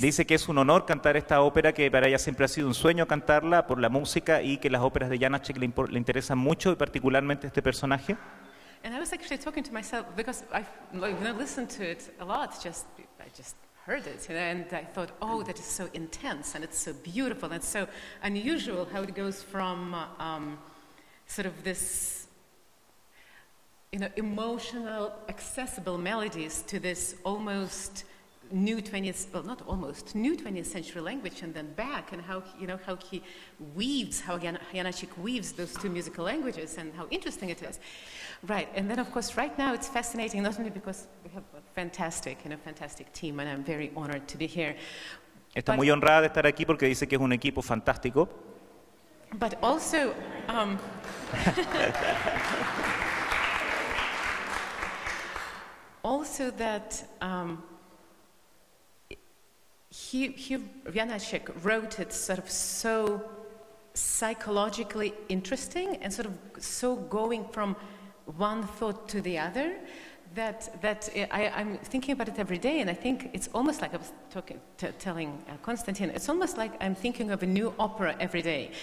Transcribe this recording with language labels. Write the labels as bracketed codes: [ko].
[es] Dice que es un honor cantar esta ópera, que para ella siempre ha sido un sueño cantarla por la música y que las óperas de Janáček le interesan mucho y particularmente este personaje. [en] And I was actually talking to myself because I've listened to it a lot, I just heard it, you know, and I thought, oh, that is so intense, and it's so beautiful, and so unusual how it goes from sort of this, you know, emotional, accessible melodies to this almost new 20th century language, and then back, and how Janáček weaves those two musical languages, and how interesting it is. Right, and then of course right now it's fascinating, not only because we have a fantastic and a fantastic team, and I'm very honored to be here. [es] Está muy honrada de estar aquí porque dice que es un equipo fantástico. [en] But also, also that Janáček wrote it sort of so psychologically interesting and sort of so going from one thought to the other, that I'm thinking about it every day, and I think it's almost like I was telling Konstantin, it's almost like I'm thinking of a new opera every day.